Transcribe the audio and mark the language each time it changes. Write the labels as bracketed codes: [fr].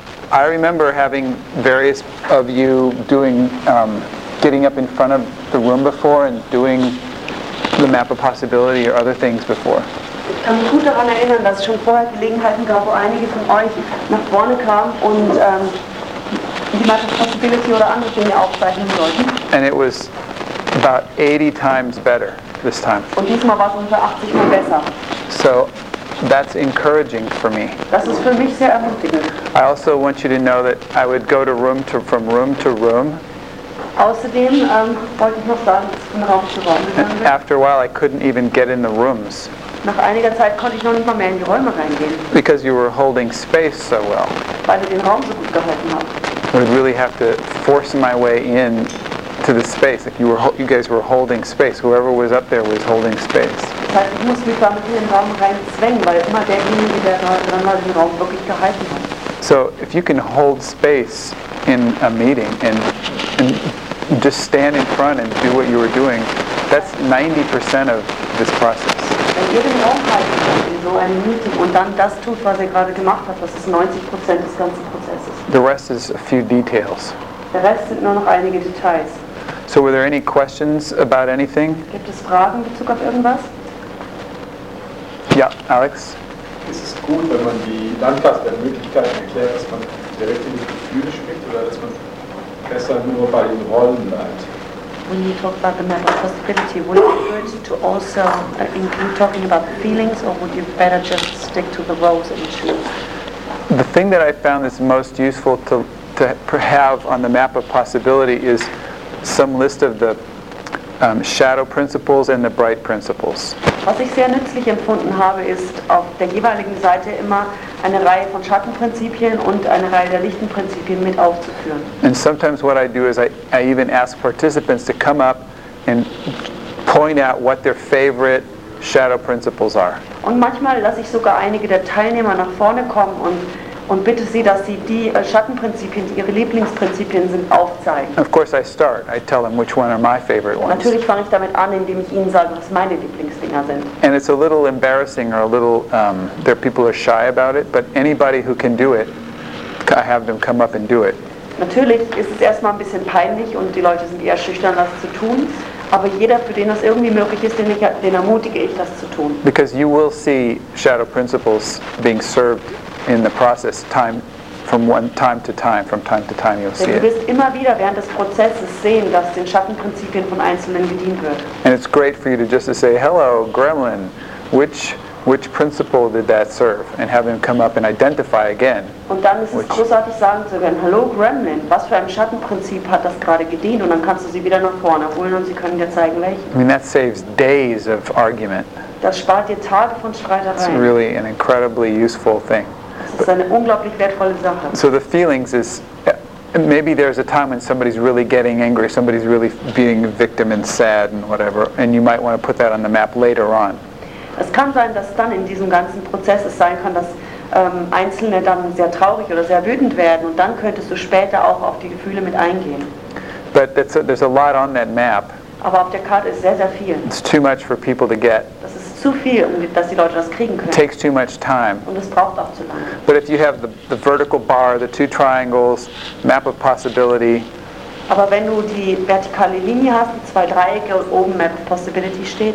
[en] I remember having various of you doing, getting up in front of the room before and doing the map of possibility or other things before. [de] Ich kann mich gut daran erinnern, dass es schon vorher Gelegenheiten gab, wo einige von euch nach vorne kamen und die map of possibility oder andere Dinge aufzeichnen sollten. [en] And it was about 80 times better this time. [de] Und diesmal war es ungefähr 80 mal besser. [en] So, that's encouraging for me. [de] Das ist für mich sehr ermutigend. [en] I also want you to know that I would go to room to from room to room. [de] Außerdem wollte ich noch sagen, von Raum zu Raum. [en] After a while, I couldn't even get in the rooms. [de] Nach einiger Zeit konnte ich noch nicht mal mehr in die Räume reingehen. [en] Because you were holding space so well. [de] Weil du den Raum so gut gehalten hast. [en] I would really have to force my way in to the space. If you guys were holding space, whoever was up there was holding space. [de] Das heißt, ich muss mich da mit in den Raum reinzwängen, weil immer derjenige, der dann mal den Raum wirklich gehalten hat. [en] So, if you can hold space in a meeting and just stand in front and do what you were doing, that's 90% of this process. [de] Wenn ihr den Raum haltet in so einem Meeting und dann das tut, was ihr gerade gemacht habt, das ist 90% des ganzen Prozesses. [en] The rest is a few details. [de] Der Rest sind nur noch einige Details. [en] So, were there any questions about anything? [de] Gibt es Fragen in Bezug auf irgendwas? Ja, Alex? Ist es gut, wenn man die Landkarte der Möglichkeiten erklärt, dass man direkt in die Gefühle spricht oder dass man besser nur bei den Rollen bleibt? [en] When you talk about the map of possibility, would it hurt you to also include talking about feelings or would you better just stick to the roles and choose? The thing that I found is most useful to have on the map of possibility is some list of the shadow principles and the bright principles. [de] Was ich sehr nützlich empfunden habe, ist auf der jeweiligen Seite immer eine Reihe von Schattenprinzipien und eine Reihe der lichten Prinzipien mit aufzuführen. [en] And sometimes what I do is I even ask participants to come up and point out what their favorite shadow principles are. [de] Und manchmal lasse ich sogar einige der Teilnehmer nach vorne kommen und bitte sie, dass sie die Schattenprinzipien, die ihre Lieblingsprinzipien sind, aufzeigen. [en] Of course I start. I tell them which one are my favorite ones. [de] Natürlich fange ich damit an, indem ich ihnen sage, was meine Lieblingsdinger sind. [en] And it's a little embarrassing or a little, there are people who are shy about it, but anybody who can do it, I have them come up and do it. [de] Natürlich ist es erstmal ein bisschen peinlich und die Leute sind eher schüchtern, das zu tun. Aber jeder, für den das irgendwie möglich ist, den ermutige ich, das zu tun. [en] Because you will see shadow principles being served in the process, time from one time to time, from time to time you'll see it. [de] Du wirst immer wieder während des Prozesses sehen, dass den Schattenprinzipien von Einzelnen gedient wird. [en] And it's great for you to just to say, hello, Gremlin, which principle did that serve? And have him come up and identify again. [de] Und dann ist es großartig, sagen zu können, [en] hello, [de] Gremlin, was für ein Schattenprinzip hat das gerade gedient? Und dann kannst du sie wieder nach vorne holen und sie können dir zeigen, welchen. [en] I mean, that saves days of argument. [de] Das spart dir Tage von Streitereien. [en] It's really an incredibly useful thing. [de] Das ist eine unglaublich wertvolle Sache. [en] So the feelings is, maybe there's a time when somebody's really getting angry, somebody's really being a victim and sad and whatever, and you might want to put that on the map later on. [de] Es kann sein, dass dann in diesem ganzen Prozess es sein kann, dass Einzelne dann sehr traurig oder sehr wütend werden, und dann könntest du später auch auf die Gefühle mit eingehen. [en] But there's a lot on that map. [de] Aber auf der Karte ist sehr, sehr viel. [en] It's too much for people to get. [de] Das ist zu viel, dass die Leute das kriegen können. [en] It takes too much time. [de] Und es braucht auch zu lange. [en] But if you have the vertical bar, the two triangles, map of possibility. [de] Aber wenn du die vertikale Linie hast, die zwei Dreiecke und oben map of possibility steht.